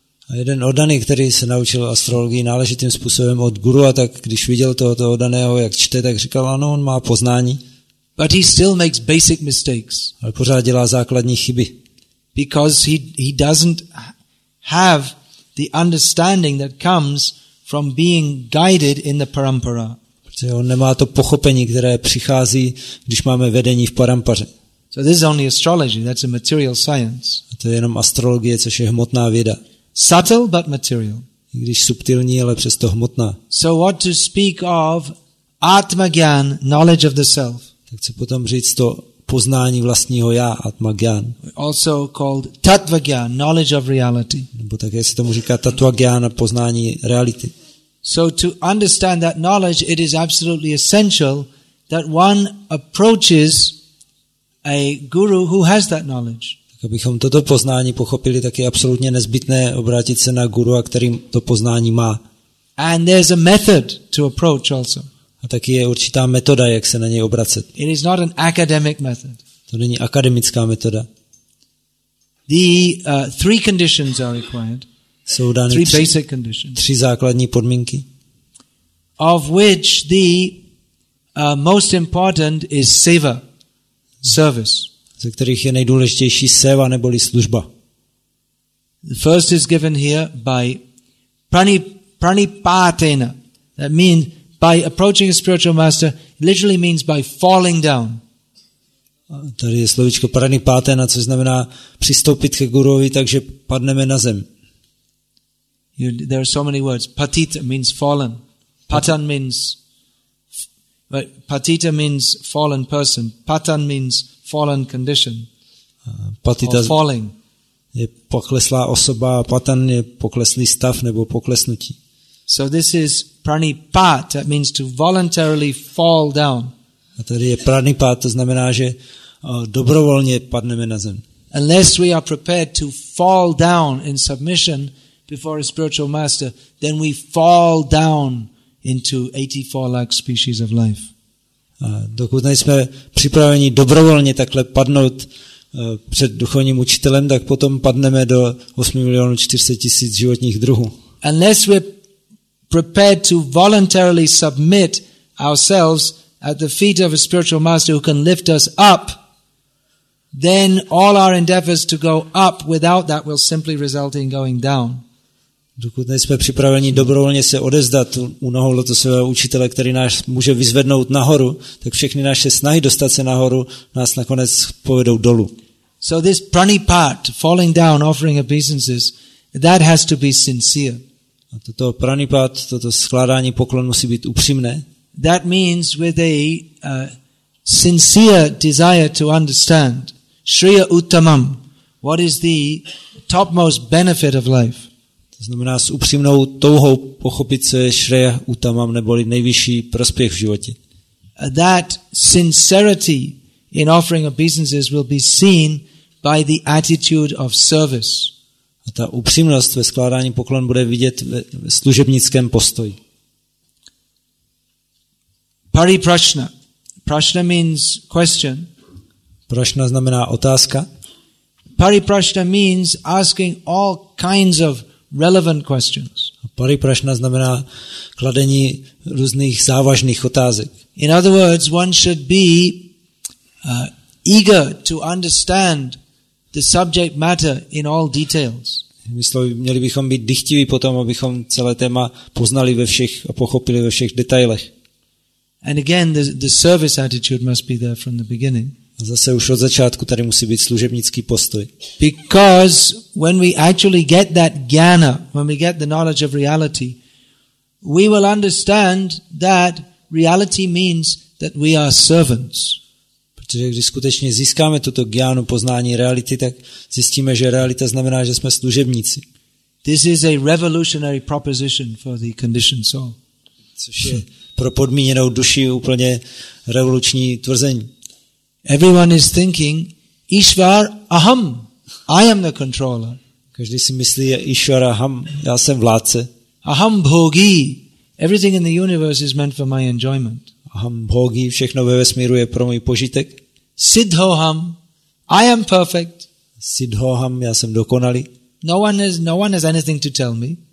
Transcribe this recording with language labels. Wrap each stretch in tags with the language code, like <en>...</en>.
<cs>A jeden oddaný, který se naučil astrologii náležitým způsobem od guru, a tak když viděl tohoto oddaného, jak čte, tak říkal, ano, on má poznání.</cs> <en>But he still makes basic mistakes.</en> <cs>Ale pořád dělá základní chyby.</cs> <en>Because he doesn't have the understanding that comes from being guided in the parampara.</en> <cs>Protože on nemá to pochopení, které přichází, když máme vedení v parampaře.</cs> <en>So this is only astrology, that's a material science.</en> <cs>A to je jenom astrologie, což je hmotná věda.</cs> <en>Subtle but material.</en> <cs>I když subtilní, ale přesto hmotná.</cs> <en>So what to speak of atmagyan, knowledge of the self.</en> <cs>Tak co potom říct to poznání vlastního já, atmagyan.</cs> <en>Also called tatvagyan, knowledge of reality.</en> <cs>Nebo také se tomu říká tatvagyan, poznání reality.</cs> <en>So to understand that knowledge, it is absolutely essential that one approaches a guru who has that knowledge.</en> <cs>Tak abychom toto poznání pochopili, tak je absolutně nezbytné obrátit se na guru, a který to poznání má.</cs> <en>And there's a method to approach also.</en> <cs>A taky je určitá metoda, jak se na něj obracet.</cs> <en>It is not an academic method.</en> <cs>To není akademická metoda.</cs> <en>The three conditions are required.</en> <cs>Jsou dány</cs> <en>three basic conditions.</en> <cs>Tři základní podmínky.</cs> <en>Of which the most important is seva. Service.</en> <cs>Ze kterých je nejdůležitější seva neboli služba.</cs> <en>The first is given here by pranipatena. That means by approaching a spiritual master, literally means by falling down.</en> <cs>Tady je slovíčko pranipatena, což znamená přistoupit ke guruovi, takže padneme na zem.</cs> <en>There are so many words. Patita means fallen. Patan means but patita means fallen person. Patan means fallen condition. Patita or falling.</en> <cs>Je pokleslá osoba, patan je pokleslý stav nebo poklesnutí.</cs> <en>So this is pranipat, that means to voluntarily fall down.</en> <cs>A tady je pranipat, to znamená, že dobrovolně padneme na zem.</cs> <en>Unless we are prepared to fall down in submission before a spiritual master, then we fall down into 84 lakh species of life.</en> <cs>Dokud nejsme připraveni dobrovolně takhle padnout před duchovním učitelem, tak potom padneme do 8 milionů 400 000 životních druhů.</cs> <en>Unless we're prepared to voluntarily submit ourselves at the feet of a spiritual master who can lift us up, then all our endeavors to go up without that will simply result in going down.</en> <cs>Dokud nejsme připraveni dobrovolně se odezdat u nohou lotosového učitele, který nás může vyzvednout nahoru, tak všechny naše snahy dostat se nahoru nás nakonec povedou dolů.</cs> <en>So this pranipat, falling down, offering obeisances, that has to be sincere.</en> <cs>A toto pranipat, toto skládání poklon musí být upřímné.</cs> <en>That means with a sincere desire to understand</en> <sa>Shriya Uttamam,</sa> <en>what is the topmost benefit of life.</en> <cs>To znamená s upřímnou touhou pochopit, co je</cs> <sa>Shriya Uttamam,</sa> <cs>neboli nejvyšší prospěch v životě.</cs> <en>That sincerity in offering obeisances will be seen by the attitude of service.</en> <cs>A ta upřímnost ve skládání poklon bude vidět ve služebnickém postoji.</cs> <en>Pariprashna. Prashna means question.</en> <cs>Prashna znamená otázka.</cs> <en>Pariprashna means asking all kinds of relevant questions.</en> <cs>Pariprashna znamená kladení různých závažných otázek.</cs> <en>In other words, one should be eager to understand the subject matter in all details.</en> <cs>Myslím, měli bychom být dychtiví potom, abychom celé téma poznali ve všech a pochopili ve všech detailech.</cs> <en>And again, the service attitude must be there from the beginning.</en> <cs>A zase už od začátku tady musí být služebnický postoj.</cs> <en>Because when we actually get that jnana, when we get the knowledge of reality, we will understand that reality means that we are servants.</en> <cs>Protože když skutečně získáme toto jnanu, poznání reality, tak zjistíme, že realita znamená, že jsme služebníci.</cs> <en>This is a revolutionary proposition for the conditioned soul.</en> <cs>Což je pro podmíněnou duši úplně revoluční tvrzení.</cs> <en>Everyone is thinking,</en> <sa>Ishvar, aham,</sa> <en>I am the controller.</en> <cs>Každý si myslí,</cs> <sa>Ishvar, aham,</sa> <cs>já jsem vládce.</cs> <sa>Aham bhogi,</sa> <en>everything in the universe is meant for my enjoyment.</en> <sa>Aham bhogi,</sa> <cs>všechno ve vesmíru je pro můj požitek.</cs> <en>Siddhoham, I am perfect.</en> <cs>Siddhoham, já jsem dokonalý.</cs> <en>No one has anything to tell me.</en>